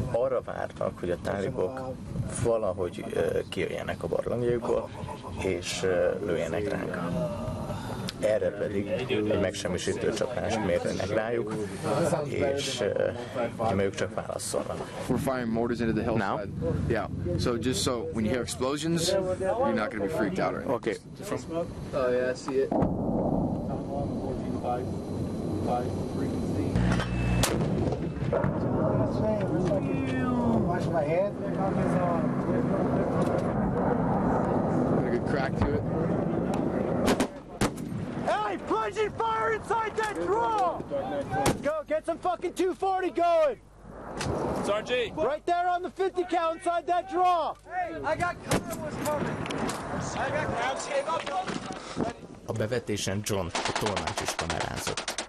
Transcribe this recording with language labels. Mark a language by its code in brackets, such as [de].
[hu] Arra vártak, hogy a tálibok valahogy kijöjjenek a barlangjaikból, és lőjenek ránk. Erre pedig egy megsemmisítő csapást mérnek rájuk, és ők csak válaszolnak. [en] We're firing mortars into the hillside. Now? Yeah. So just so when you hear explosions, you're not going to be freaked out or anything. Okay. From smoke? Oh yeah, I see it. Watch my head. Got a good crack to it. Hey, plunging fire inside that draw! Go, get some fucking 240 going! Sergeant! Right there on the 50 cal inside that draw! Hey, I got cover was coming! I got [hu] cover! A bevetésen John a tolmács is kamerázott.